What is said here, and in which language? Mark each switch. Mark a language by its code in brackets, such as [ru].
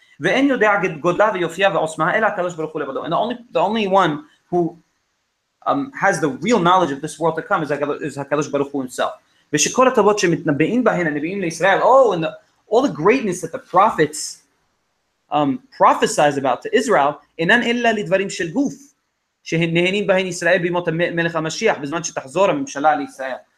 [he] ואין יודע גודלה ויופיה ועוצמה אלא הקדוש ברוך הוא לבדו. [en] And the only one who has the real knowledge of this world to come is הקדוש ברוך הוא himself. [he] ושכל הטובות שמתנבאים בהן הנביאים לישראל, [en] all the greatness that the prophets prophesize about to Israel, [he] אינן אלא לדברים של גוף, שנהנים בהן ישראל בימות המלך המשיח, בזמן שתחזור הממשלה לישראל.